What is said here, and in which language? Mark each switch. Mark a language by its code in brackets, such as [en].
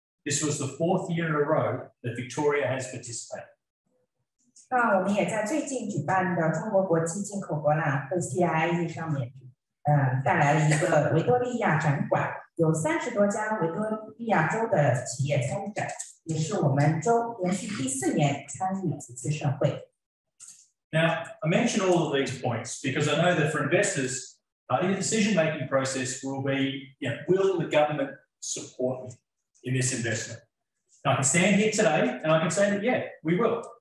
[en] This was the 4th year in a row that Victoria has participated. [zh] 也是我们州连续第四年参与此次盛会。 [en] Now, I mention all of these points because I know that for investors, in the decision-making process will be, you know, will the government support me in this investment? Now, I can stand here today and I can say that, yeah, we will.